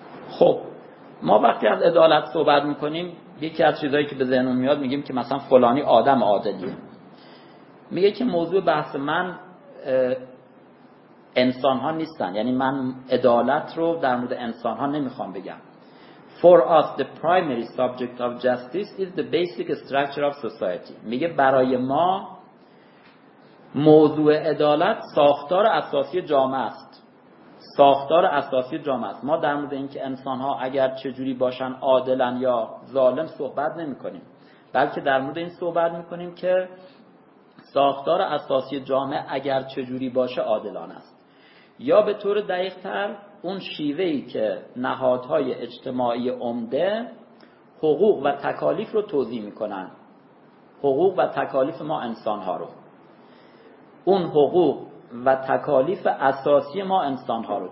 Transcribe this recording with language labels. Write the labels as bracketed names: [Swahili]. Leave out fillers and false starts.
[Persian] خب ما وقتی از عدالت صحبت میکنیم یکی از چیزایی که به ذهنون میاد میگیم که مثلا فلانی آدم عادلیه. میگه که موضوع بحث من انسان ها نیستن، یعنی من عدالت رو در مورد انسان ها نمیخوام بگم. [English] For us the primary subject of justice is the basic structure of society. [Persian] میگه برای ما موضوع عدالت ساختار اساسی جامعه است. ساختار اساسی جامعه است. ما در مورد اینکه انسان ها اگر چجوری باشن عادلن یا ظالم صحبت نمی کنیم، بلکه در مورد این صحبت می کنیم که ساختار اساسی جامعه اگر چجوری باشه عادلان است، یا به طور دقیق تر اون شیوهی که نهادهای اجتماعی عمده حقوق و تکالیف رو توضیح میکنن، حقوق و تکالیف ما انسانها رو، اون حقوق و تکالیف اساسی ما انسانها رو.